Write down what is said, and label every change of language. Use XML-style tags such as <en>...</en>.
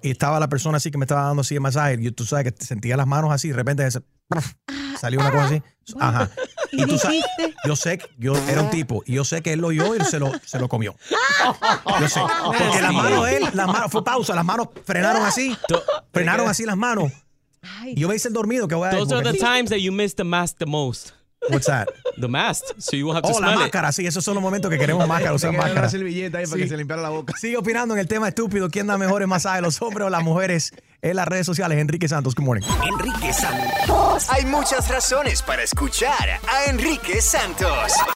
<es>Y estaba la persona así que me estaba dando así el masaje. Y tú sabes que sentía las manos así y de repente salió una cosa así. Bueno, ajá. Y tú dijiste. Sabes, yo sé que yo era un tipo. Y yo sé que él lo oyó y se lo comió. Yo sé. Porque las manos de él, fue pausa, las manos frenaron así. Frenaron así las manos. Ay, yo me hice el dormido. Que voy a</es> <en>those are the times that you miss the mask the most. What's that? The mask. So you will have to smell it.</en> <es>Oh, la máscara.</es> <en>It.</en> <es>Sí, esos son los momentos que queremos máscara. Usar máscara. Hacer el billete ahí sí. Para que se limpiara la boca. Sigue opinando en el tema estúpido. ¿Quién da mejores masajes, los hombres o las mujeres? En las redes sociales. Enrique Santos.</es> <en>Good morning.</en> <es>Enrique Santos. Hay muchas razones para escuchar a Enrique Santos.</es>